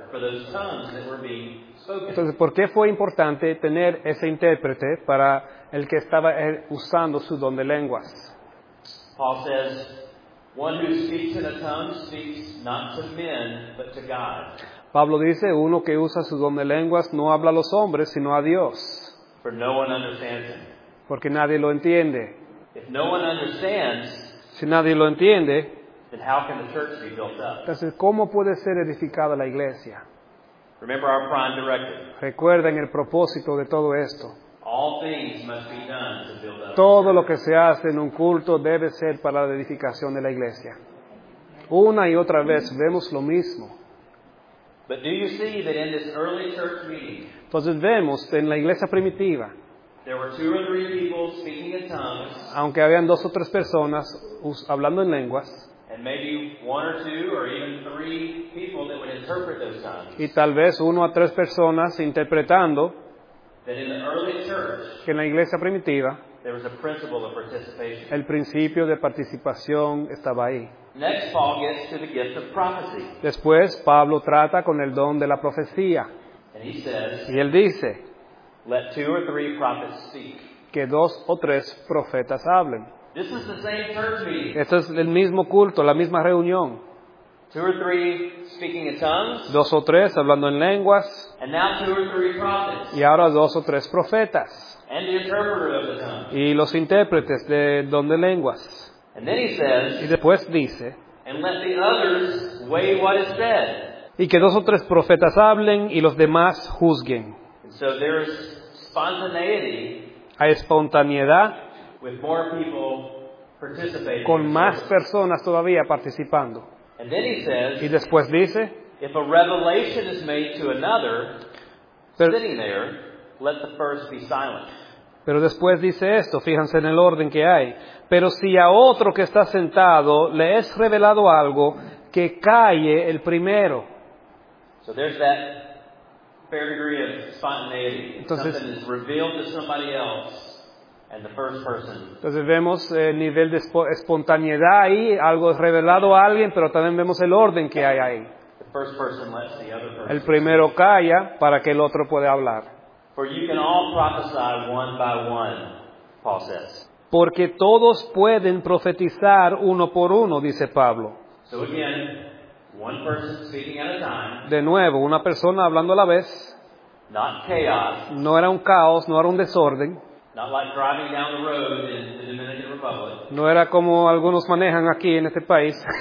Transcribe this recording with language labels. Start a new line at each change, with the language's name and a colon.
Spanish: Entonces, ¿por qué fue importante tener ese intérprete para el que estaba usando su don de lenguas?
English: Paul says, "One who speaks in a tongue speaks not to men, but to God."
Spanish: Pablo dice, uno que usa su don de lenguas no habla a los hombres, sino a Dios.
English: For no one understands him.
Spanish: Porque nadie lo entiende.
English: If no one understands,
Spanish: si nadie lo entiende,
English: then how can the church be built up?
Spanish: Entonces, ¿cómo puede ser edificada la iglesia?
English: Remember our prime directive.
Spanish: Recuerden el propósito de todo esto.
English: All things must be done to build up.
Spanish: Todo lo que se hace en un culto debe ser para la edificación de la iglesia. Una y otra vez vemos lo mismo.
English: But do you see that in this early church meeting,
Spanish: entonces vemos en la iglesia primitiva,
English: there were two or three people speaking in tongues,
Spanish: aunque habían dos o tres personas hablando en lenguas,
English: and maybe one or two or even three people that would interpret those tongues,
Spanish: y tal vez uno a tres personas interpretando,
English: that in the early church,
Spanish: que en la iglesia primitiva,
English: there was a principle of participation.
Spanish: El principio de participación estaba ahí.
English: Next, Paul gets to the gift of prophecy.
Spanish: Después, Pablo trata con el don de la profecía.
English: And he says,
Spanish: y él dice,
English: let two or three prophets speak.
Spanish: Que dos o tres profetas hablen.
English: This is the same church meeting.
Spanish: Esto es el mismo culto, la misma reunión.
English: Two or three speaking in tongues.
Spanish: Dos o tres hablando en lenguas.
English: And now two or three prophets.
Spanish: Y ahora dos o tres profetas.
English: And the interpreter of the tongues.
Spanish: Y los intérpretes de don de lenguas.
English: And then he says,
Spanish: y después dice,
English: and let the others weigh what is said.
Spanish: Y que dos o tres profetas hablen y los demás juzguen.
English: So there is spontaneity.
Spanish: Hay espontaneidad.
English: With more people participating.
Spanish: Con más personas todavía participando.
English: And then he says,
Spanish: y después dice,
English: if a revelation is made to another, pero, sitting there, let the first be silent.
Spanish: Pero después dice esto, fíjense en el orden que hay. Pero si a otro que está sentado le es revelado algo, que calle el primero.
English: So there's that fair degree of spontaneity. Entonces, something is revealed to somebody else, and the first person.
Spanish: Entonces vemos el nivel de espontaneidad ahí, algo es revelado a alguien, pero también vemos el orden que hay ahí.
English: The first person lets the other person.
Spanish: El primero calla para que el otro pueda hablar.
English: For you can all prophesy one by one, Paul says.
Spanish: Porque todos pueden profetizar uno por uno, dice Pablo.
English: So again, one person speaking at a time.
Spanish: De nuevo, una persona hablando a la vez.
English: Not chaos.
Spanish: No era un caos, no era un desorden.
English: Not like driving down the road in the Dominican Republic.
Spanish: No era como algunos manejan aquí en este país.